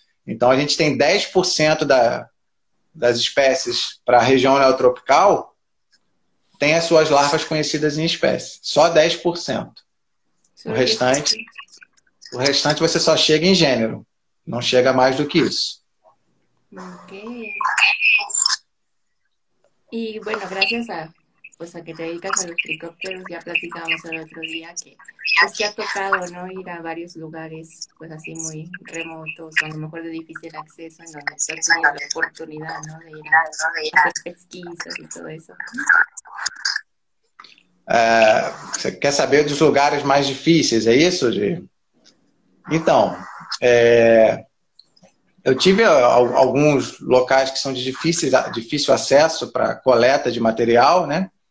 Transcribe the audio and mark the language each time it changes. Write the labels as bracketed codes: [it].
[pt] Então a gente tem 10% das espécies para a região neotropical tem as suas larvas conhecidas em espécie. Só 10%. O restante você só chega em gênero. Não chega mais do que isso. Ok. [es] Y bueno, gracias a, pues a que te dedicas a los tricópteros, ya platicábamos el otro día que pues te ha tocado, ¿no?, ir a varios lugares pues así muy remotos, a lo mejor de difícil acceso, en donde se tiene la oportunidad, ¿no?, de ir a hacer pesquisas y todo eso. [pt] Você quer saber dos lugares mais difíceis, é isso, Gi? Então, eu tive alguns locais que são de difícil acesso para coleta de material, né?